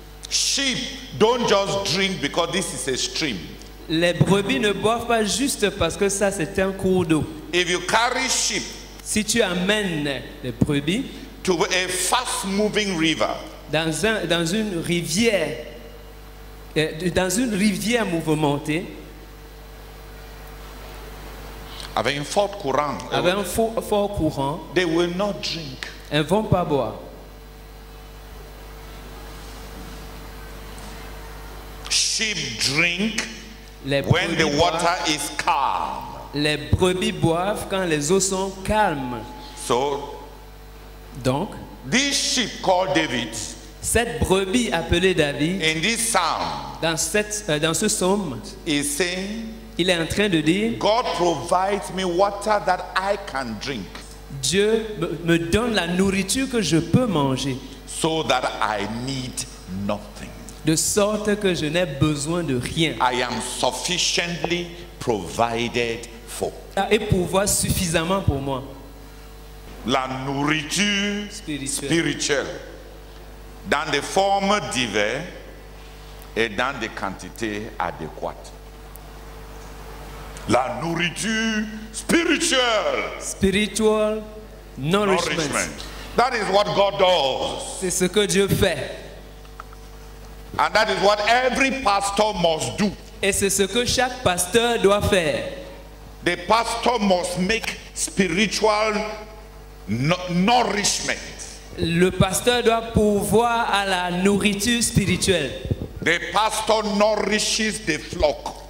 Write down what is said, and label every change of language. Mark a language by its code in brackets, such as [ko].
[en] Sheep don't just drink because this is a stream. [fr] Les brebis ne boivent pas juste parce que ça c'est un cours d'eau. [en] If you carry sheep, [fr] si tu amènes les brebis [en] to a fast moving river, [fr] dans une rivière mouvementée, avec un fort courant, [en] they will not drink. [fr] Elles ne vont pas boire. [en] Sheep drink when the water is calm. [fr] Les brebis boivent quand les eaux sont calmes. [en] So, [fr] donc, [en] this sheep called David, [fr] cette brebis appelée David, [en] in this psalm, [fr] dans ce psaume, [en] is saying, [fr] il est en train de dire, [en] God provides me water that I can drink. [fr] Dieu me donne la nourriture que je peux manger. [en] So that I need nothing. [fr] De sorte que je n'ai besoin de rien. [en] I am sufficiently provided for. [fr] Et pourvoir suffisamment pour moi. La nourriture spirituelle dans des formes diverses et dans des quantités adéquates. La nourriture spirituelle. [en] Spiritual nourishment. That is what God does. [fr] C'est ce que Dieu fait. [en] And that is what every pastor must do. [fr] Et c'est ce que chaque pasteur doit faire. [en] The pastor must make spiritual nourishment. [fr] Le pasteur doit pourvoir à la nourriture spirituelle. [en] The pastor nourishes the flock.